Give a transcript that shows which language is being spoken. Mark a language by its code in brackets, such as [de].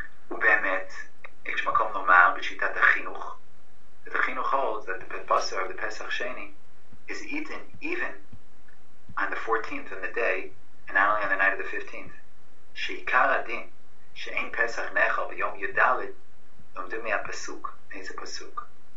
[he] באמת, יש מקום לומר בשיטת החינוך. [en] The chinuch holds that the bussar of the Pesach Sheni is eaten even on the 14th on the day and not only on the night of the 15th. [he] שעיקר הדין שאין פסח נאכל ביום י"ד לומדו מהפסוק, איזה פסוק?